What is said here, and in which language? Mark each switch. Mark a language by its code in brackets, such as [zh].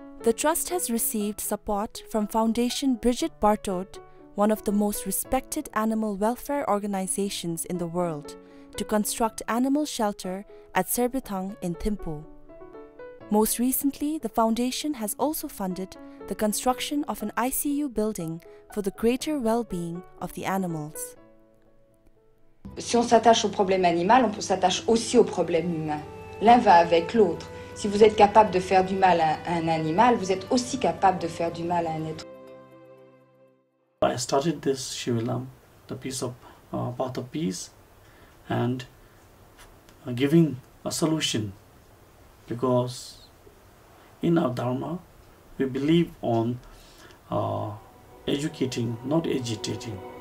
[en] The trust has received support from Foundation Brigitte Bardot, one of the most respected animal welfare organizations in the world, to construct animal shelter at Serbithang in Thimphu. Most recently, the foundation has also funded the construction of an ICU building for the greater well-being of the animals. [fr] Si on s'attache au problème animal, on peut s'attache aussi au problème humain. L'un va avec l'autre. Si vous êtes capable de faire du mal à un animal, vous êtes aussi capable de faire du mal à un être. [en] I started this Zhiwai Lamtoen, the piece of path of peace, and giving a solution, because in our dharma we believe on educating, not agitating.